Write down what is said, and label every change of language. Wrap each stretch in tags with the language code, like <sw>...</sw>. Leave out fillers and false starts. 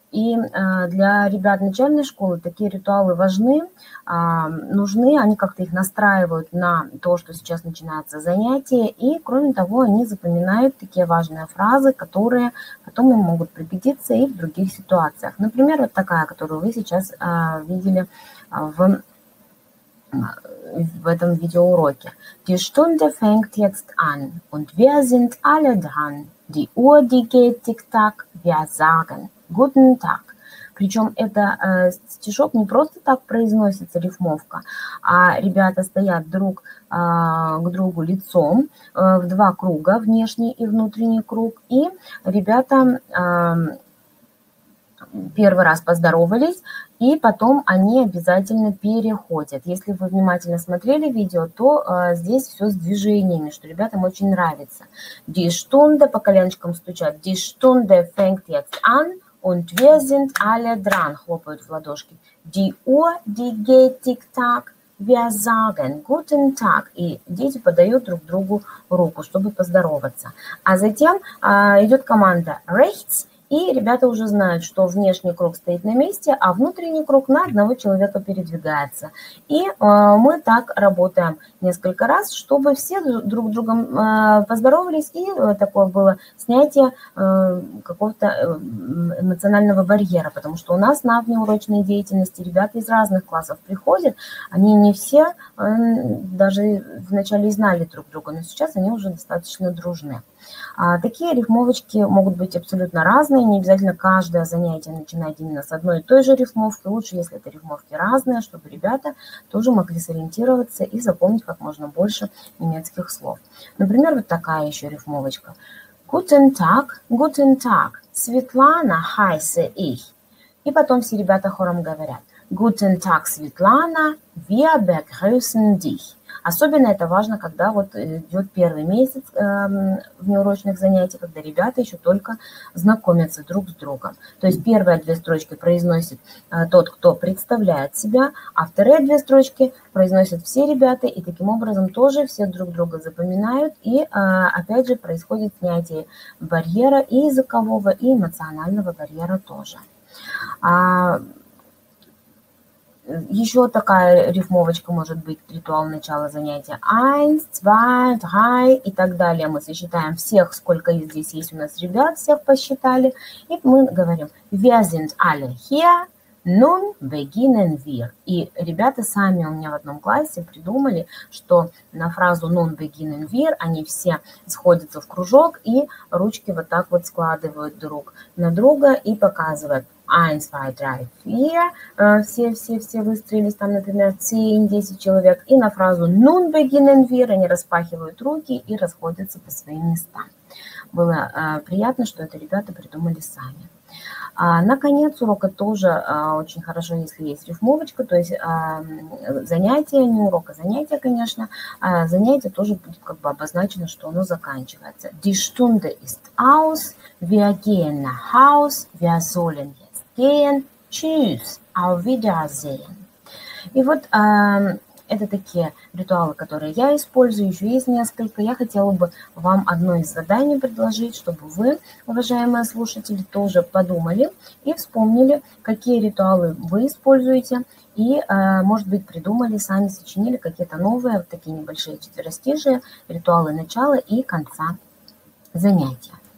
<ru>И для ребят начальной школы такие ритуалы важны, нужны, они как-то их настраивают на то, что сейчас начинается занятие, и, кроме того, они запоминают такие важные фразы, которые потом им могут пригодиться и в других ситуациях. Например, вот такая, которую вы сейчас видели в этом видеоуроке.</ru> <de>Die Stunde fängt jetzt an, und wir sind alle dran. Die Uhr, die geht tic-tac, wir sagen. Guten Tag.</de> <ru>Причем это стишок не просто так произносится, рифмовка, а ребята стоят друг к другу лицом в два круга, внешний и внутренний круг, и ребята первый раз поздоровались, и потом они обязательно переходят. Если вы внимательно смотрели видео, то здесь все с движениями, что ребятам очень нравится.</ru> <de>Die Stunde,</de> <ru>по коленочкам стучат,</ru> <de>die Stunde fängt jetzt an. Und wir sind alle dran,</de> <ru>хлопают в ладошки.</ru> <de>Die Uhr, die geht tic-tac, wir sagen guten Tag.</de> <ru>И дети подают друг другу руку, чтобы поздороваться. А затем идет команда rechts, и ребята уже знают, что внешний круг стоит на месте, а внутренний круг на одного человека передвигается. И мы так работаем несколько раз, чтобы все друг с другом поздоровались, и такое было снятие какого-то эмоционального барьера, потому что у нас на внеурочной деятельности ребята из разных классов приходят, они не все даже вначале знали друг друга, но сейчас они уже достаточно дружны. Такие рифмовочки могут быть абсолютно разные, не обязательно каждое занятие начинать именно с одной и той же рифмовки, лучше, если это рифмовки разные, чтобы ребята тоже могли сориентироваться и запомнить как можно больше немецких слов. Например, вот такая еще рифмовочка.</ru> <de>Guten Tag, guten Tag, Светлана, heiße ich.</de> <ru>И потом все ребята хором говорят.</ru> <de>Guten Tag, Светлана, wir begrüßen dich.</de> <ru>Особенно это важно, когда вот идет первый месяц внеурочных занятий, когда ребята еще только знакомятся друг с другом. То есть первые две строчки произносит тот, кто представляет себя, а вторые две строчки произносят все ребята, и таким образом тоже все друг друга запоминают, и опять же происходит снятие барьера и языкового, и эмоционального барьера тоже. Еще такая рифмовочка может быть, ритуал начала занятия.</ru> <de>Eins, zwei, drei</de> <ru>и так далее. Мы сосчитаем всех, сколько здесь есть у нас ребят, всех посчитали. И мы говорим,</ru> <de>wir sind alle hier, nun beginnen wir.</de> <ru>И ребята сами у меня в одном классе придумали, что на фразу</ru> <de>nun beginnen wir</de> <ru>они все сходятся в кружок и ручки вот так вот складывают друг на друга и показывают.</ru> <de>Eins, zwei, drei, vier.</de> <ru>Все выстроились там, например, 10 человек. И на фразу</ru> <de>«Nun beginnen wir»</de> <ru>они распахивают руки и расходятся по своим местам. Было приятно, что это ребята придумали сами. Наконец, урока тоже очень хорошо, если есть рифмовочка, то есть занятие, не урок, а занятие, конечно. Занятие тоже будет как бы обозначено, что оно заканчивается.</ru> <de>Die Stunde ist aus, wir gehen nach Haus, wir sollen hier. Tschüss, auf Wiedersehen.</de> <ru>И вот Это такие ритуалы, которые я использую, еще есть несколько. Я хотела бы вам одно из заданий предложить, чтобы вы, уважаемые слушатели, тоже подумали и вспомнили, какие ритуалы вы используете. И, может быть, придумали, сами сочинили какие-то новые, вот такие небольшие четверостишие ритуалы начала и конца занятия.</ru>